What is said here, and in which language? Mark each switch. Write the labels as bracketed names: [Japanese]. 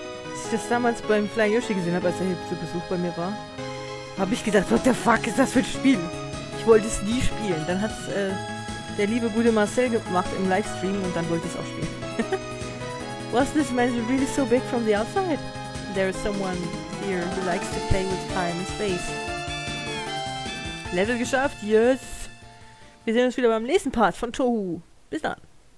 [German] Als ich das damals beim Flying Yoshi gesehen habe, als er hier zu Besuch bei mir war, habe ich gedacht, [English] what the fuck [German] ist das für ein Spiel? Ich wollte es nie spielen. Dann hat es der liebe gute Marcel gemacht im Livestream und dann wollte ich es auch spielen. [English] Was this mansion really so big from the outside? There is someone here who likes to play with time and space. [German] Level geschafft, yes! Wir sehen uns wieder beim nächsten Part von Tohu. Bis dann!